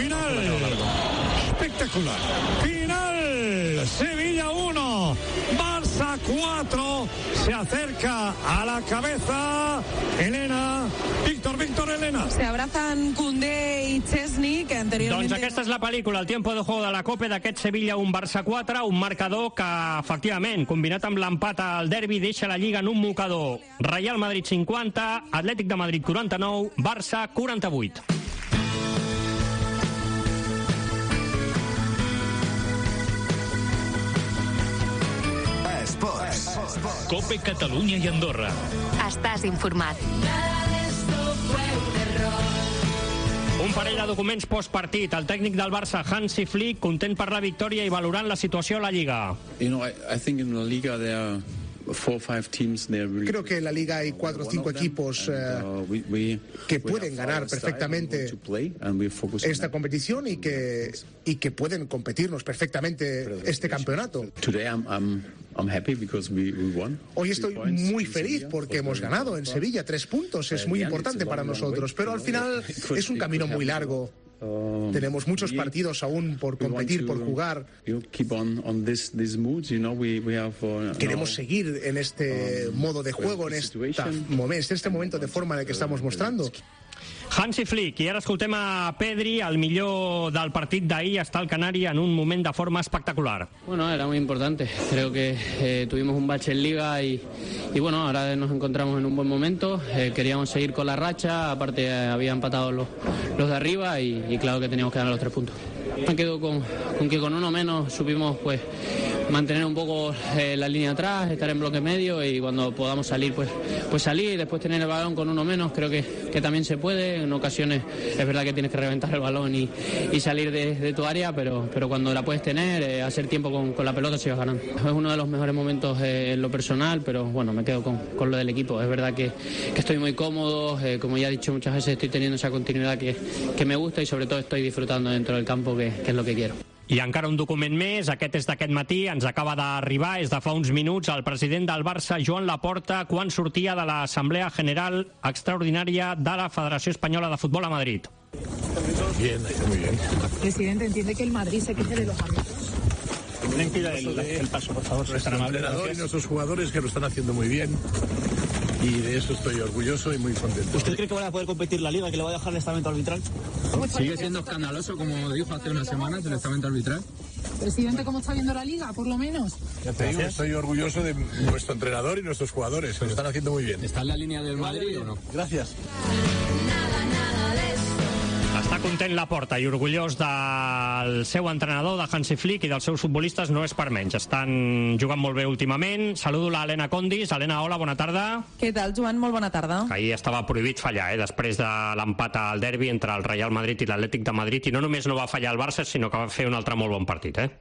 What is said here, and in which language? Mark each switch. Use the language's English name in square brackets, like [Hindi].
[Spanish] Final. Espectacular. Final. Sevilla 1. Barça 4. Se acerca a la cabeza Elena. Víctor, Elena. Se abrazan Koundé y Szczęsny, que anteriormente... [Catalan] Doncs aquesta és la pel·lícula, [Spanish] el tiempo de juego [Catalan] de la Copa d'aquest Sevilla 1 Barça 4, un marcador que, efectivament, combinat amb l'empat al derbi, deixa la Lliga en un mocador. Real Madrid 50, Atlètic de Madrid 49, Barça 48. Esports. Cope Catalunya i Andorra. Estàs informat. Un parell de documents postpartit. El tècnic del Barça, Hansi Flick, content per la victòria i valorant la situació a la Lliga. [English] You know, I think in the Liga there are four, five teams there really... [Spanish] Creo que en la Liga hay cuatro o cinco equipos que pueden ganar perfectamente esta competición y que pueden competirnos perfectamente este campeonato. [English] Today I'm happy because we won. [Spanish] Hoy estoy muy feliz porque hemos ganado en Sevilla. Tres puntos es muy importante para nosotros, pero al final es un camino muy largo. Tenemos muchos partidos aún por competir, por jugar. Queremos seguir en este modo de juego, en este momento de forma en el que estamos mostrando. [Catalan] Hansi Flick, i ara escoltem a Pedri, el millor del partit d'ahir, està al Canari en un moment de forma espectacular. [Spanish] Bueno, era muy importante. Creo que tuvimos un bache en Liga y bueno, ahora nos encontramos en un buen momento. Queríamos seguir con la racha, aparte había empatado los de arriba y claro que teníamos que ganar los tres puntos. Me quedo con que con uno menos supimos pues mantener un poco la línea atrás, estar en bloque medio y cuando podamos salir pues salir y después tener el balón con uno menos, creo que también se puede. En ocasiones es verdad que tienes que reventar el balón y salir de tu área, pero cuando la puedes tener, hacer tiempo con la pelota, sigas ganando. Es uno de los mejores momentos en lo personal, pero bueno, me quedo con lo del equipo. Es verdad que estoy muy cómodo, como ya he dicho muchas veces, estoy teniendo esa continuidad que me gusta y sobre todo estoy disfrutando dentro del campo, que es lo que quiero. [Catalan] I encara un document més, aquest és d'aquest matí, ens acaba d'arribar, és de fa uns minuts, el president del Barça, Joan Laporta, quan sortia de l'Assemblea General Extraordinària de la Federació Espanyola de Futbol a Madrid. [Spanish] Bien, muy bien. Presidente, entiende que el Madrid se queje de los árbitros. Den pida el paso, por favor. Nuestro entrenador y nuestros jugadores que lo están haciendo muy bien. Y de eso estoy orgulloso y muy contento. ¿Usted cree que van a poder competir la Liga, que le va a dejar el estamento arbitral? ¿Sigue siendo escandaloso, como dijo hace unas semanas, el estamento arbitral? Presidente, ¿cómo está viendo la Liga, por lo menos? Ya te digo, estoy orgulloso de nuestro entrenador y nuestros jugadores, que lo están haciendo muy bien. ¿Está en la línea del Madrid o no? Gracias. [Catalan] Està content Laporta i orgullós del seu entrenador, de Hansi Flick, i dels seus futbolistes, no és per menys. Estan jugant molt bé últimament. Saludo l'Helena Condis. Helena, hola, bona tarda. Què tal, Joan? Molt bona tarda. Ahir estava prohibit fallar, després de l'empat al derbi entre el Real Madrid i l'Atlètic de Madrid, i no només no va fallar el Barça, sinó que va fer un altre molt bon partit,